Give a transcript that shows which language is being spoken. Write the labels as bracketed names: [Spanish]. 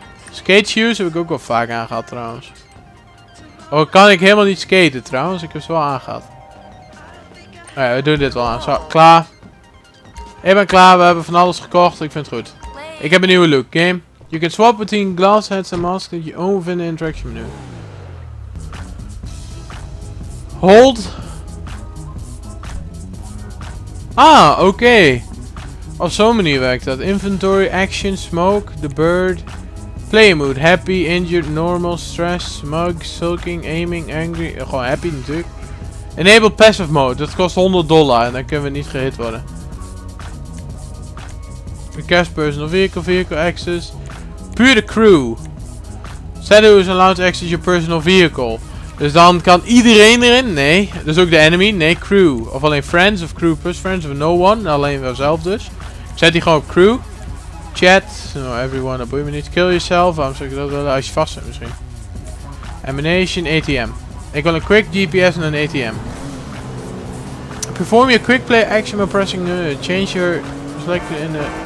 [Dutch] Skate shoes heb ik ook wel vaak aangehad trouwens. Oh, kan ik helemaal niet skaten trouwens. Ik heb ze wel aangehad. Oké, we doen dit wel aan. Zo, klaar. Ik ben klaar, we hebben van alles gekocht. Ik vind het goed. Ik heb een nieuwe look, game. [English] You can swap between glass heads and masks that you own within the interaction menu. Hold. [Dutch] Ah, oké. Op zo'n manier werkt dat. [English] Inventory, action, smoke, the bird. Play mood, happy, injured, normal, stress, smug, sulking, aiming, angry. [Dutch] Gewoon happy natuurlijk. Enable passive mode, dat kost $100 en dan kunnen we niet gehit worden. [English] Request personal vehicle, vehicle access. [Dutch] Puur de crew. [English] Shadow is allowed to access your personal vehicle. [Dutch] Dus dan kan iedereen erin? Nee. Dus ook de enemy? Nee, crew. Of alleen friends of crew plus friends of no one. Alleen wel zelf dus. Zet die gewoon op crew. Chat. No, everyone, dat boeit me niet. [English] Kill yourself. [Dutch] Waarom zou ik dat willen? Als je vast bent misschien. Emanation, ATM. Ik wil een quick GPS en een ATM. [English] Perform your quick play action by pressing change your selector in the...